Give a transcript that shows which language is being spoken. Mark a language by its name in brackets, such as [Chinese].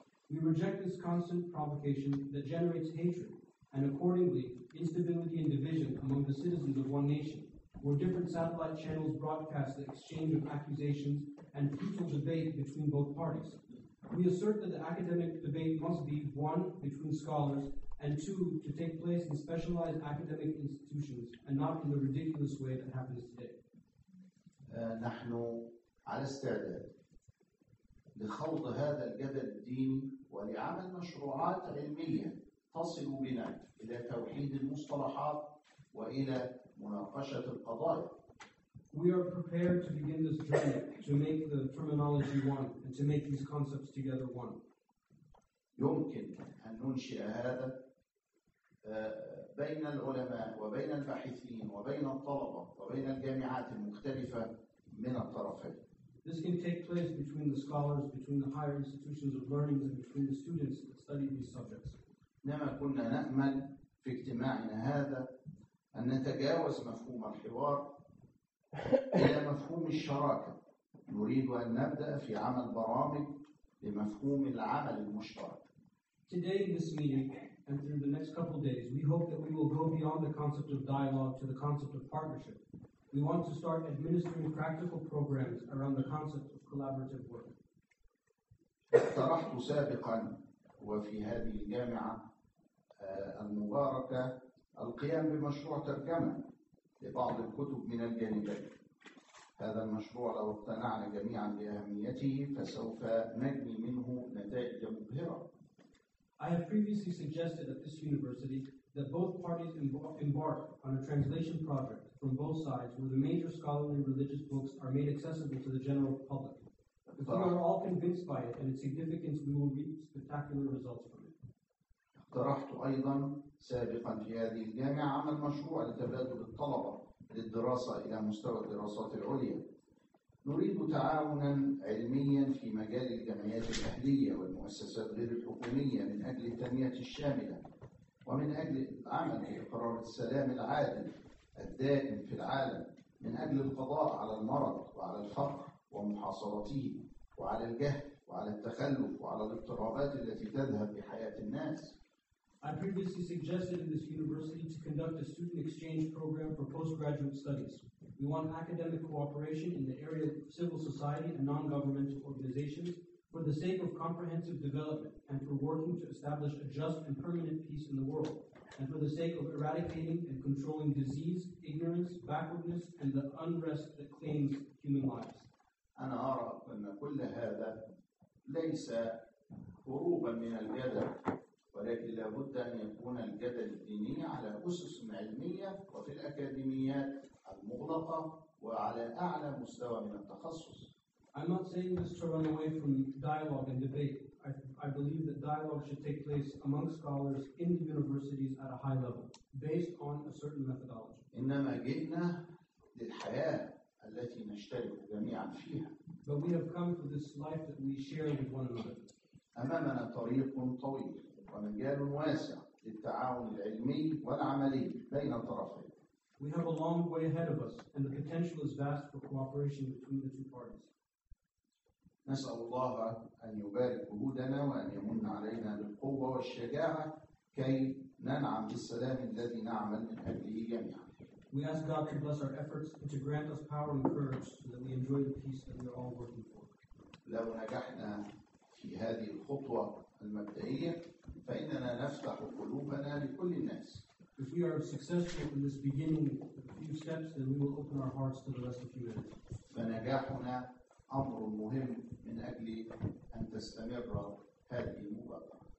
[English] We reject this constant provocation that generates hatred, and accordingly, instability and division among the citizens of one nation, where different satellite channels broadcast the exchange of accusations and futile debate between both parties. We assert that the academic debate must be, one, between scholars, and two, to take place in specialized academic institutions and not in the ridiculous way that happens today. [Arabic] نحن على استعداد لخوض هذا الجدل الدين ولعمل مشروعات علمية تصل بنا إلى توحيد المصطلحات وإلى مناقشة القضايا. [English] We are prepared to begin this journey to make the terminology one and to make these concepts together one. [Arabic] يمكن أن ننشئ هذا بين العلماء وبين الباحثين وبين الطلبة وبين الجامعات المختلفة من الطرفين. [English] This can take place between the scholars, between the higher institutions of learning, and between the students that study these subjects. [Arabic] نما كنا نأمل في اجتماعنا هذا أن نتجاوز مفهوم الحوار إلى مفهوم الشراكة. نريد أن نبدأ في عمل برامج لمفهوم العمل المشترك. [English] Today in this meeting, and through the next couple of days, we hope that we will go beyond the concept of dialogue to the concept of partnership. We want to start administering practical programs around the concept of collaborative work. [Arabic] اقترحت سابقا وفي هذه الجامعة المباركة القيام بمشروع ترجمة لبعض الكتب من الجانبين. هذا المشروع لو اقتنعنا جميعا بأهميته فسوف نجني منه نتائج مبهرة. [English] I have previously suggested at this university that both parties embark on a translation project from both sides where the major scholarly religious books are made accessible to the general public. If we are all convinced by it and its significance, we will reap spectacular results from it. [Arabic] اقترحت أيضا سابقا في هذه الجامعة عمل مشروع لتبادل الطلبة للدراسة إلى مستوى الدراسات العليا. نريد تعاونا علميا في مجال الجمعيات الأهلية والمؤسسات غير الحكومية من أجل التنمية الشاملة ومن أجل العمل في إقرار السلام العادل الدائم في العالم من أجل القضاء على المرض وعلى الفقر ومحاصرته وعلى الجهل وعلى التخلف وعلى الاضطرابات التي تذهب بحياة الناس. [English] I previously suggested in this university to conduct a student exchange program for postgraduate studies. We want academic cooperation in the area of civil society and non-governmental organizations for the sake of comprehensive development and for working to establish a just and permanent peace in the world, and for the sake of eradicating and controlling disease, ignorance, backwardness, and the unrest that claims human lives. [Arabic] أنا أرى أن كل هذا ليس هروبا من الجدل، ولكن لابد أن يكون الجدل الديني على أسس علمية وفي الأكاديميات المغلقة وعلى أعلى مستوى من التخصص. [English] I'm not saying this to run away from dialogue and debate. I believe that dialogue should take place among scholars in the universities at a high level, based on a certain methodology. [Arabic] إنما جئنا للحياة التي نشترك جميعا فيها. [English] But we have come for this life that we share with one another. [Arabic] أمامنا طريق طويل ومجال واسع للتعاون العلمي والعملي بين الطرفين. [English] We have a long way ahead of us, and the potential is vast for cooperation between the two parties. [Arabic] نسأل الله أن يبارك جهودنا وأن يمن علينا بالقوة والشجاعة كي ننعم بالسلام الذي نعمل من أجله جميعا. [English] We ask God to bless our efforts and to grant us power and courage so that we enjoy the peace that we are all working for. [Arabic] لو نجحنا في هذه الخطوة المبدئية فإننا نفتح قلوبنا لكل الناس. [English] If we are successful in this beginning few steps, then we will open our hearts to the rest of humanity. [Arabic] فنجاحنا أمر مهم من أجل أن تستمر هذه المبادرة.